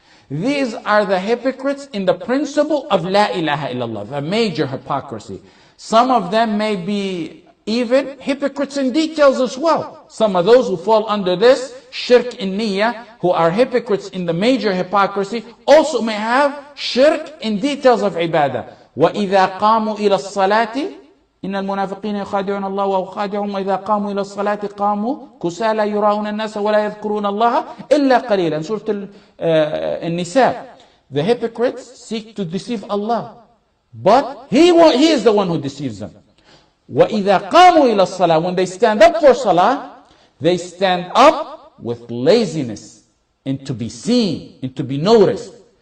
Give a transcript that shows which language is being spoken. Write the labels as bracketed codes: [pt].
[en] These are the hypocrites in the principle of [ar] لا إله إلا الله, [en] a major hypocrisy. Some of them may be even hypocrites in details as well. Some of those who fall under this shirk in niyyah, who are hypocrites in the major hypocrisy, also may have shirk in details of ibadah. [ar] وَإِذَا قَامُوا إِلَى الصَّلَاةِ إن المنافقين يخادعون الله وهو خادعهم وإذا قاموا إلى الصلاة قاموا كسالى يراؤون الناس ولا يذكرون الله إلا قليلا. سورة النساء. [en] The hypocrites seek to deceive Allah, but he is the one who deceives them. [ar] وإذا قاموا إلى الصلاة, [en] when they stand up for صلاة, they stand up with laziness and to be seen and to be noticed.